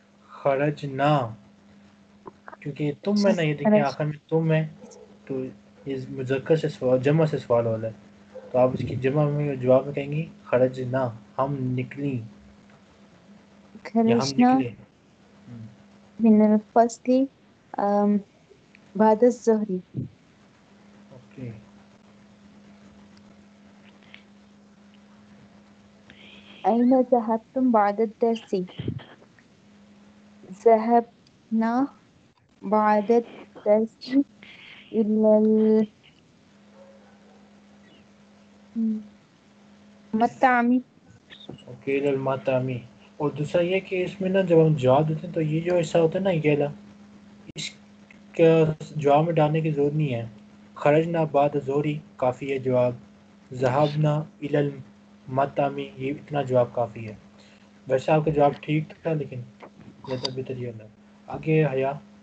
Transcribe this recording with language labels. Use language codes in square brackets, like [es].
[ur] خرجنا کیونکہ تم میں نہیں دیکھیں آخر میں تم میں تو اس مذکر سے سوال جمع سے سوال ہو رہا ہے تو آپ اس کی جمع میں جواب میں کہیں گی خرجنا ہم نکلی [ar] خرجنا من الفصل بعد الظهر [en] okay [ar] اين ذهبتم بعد الدرس ذهبنا بعد الدرس الى المطعم [ur] اوكي [ar] الى المطعم [ur] اور دوسرا یہ کہ اس میں نا جب ہم جواب دیتے ہیں تو یہ جو ایسا ہوتا ہے نا گیلا جواب میں ڈالنے کی ضرورت نہیں ہے [ar] خرجنا بعد زہری [ur] کافی ہے جواب [ar] ذهبنا الى المطعم [ur] یہ اتنا جواب کافی ہے ویسے آپ کا جواب ٹھیک تھا لیکن یہ تو بہتر ہی ہے آگے حیا